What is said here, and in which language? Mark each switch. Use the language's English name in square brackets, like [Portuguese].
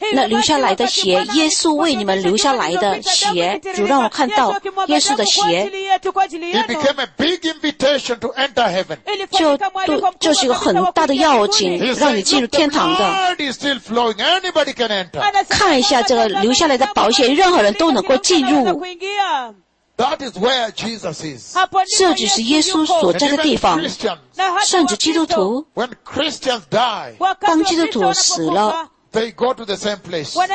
[Chinese] 那流下来的血, 耶稣为你们流下来的血, 主让我看到 耶稣的血, [English] he became a big invitation to enter heaven. [Chinese] 就是一个很大的邀请, 让你进入天堂的。 [English] The blood is still flowing, anybody can enter. [Chinese] 看一下这个流下来的宝血, 任何人都能够进入。 [English] That is where Jesus is. [Chinese] 这就是耶稣所在的地方。甚至基督徒, [English] when Christians die, [Chinese] 当基督徒死了, [English] they go to the same place.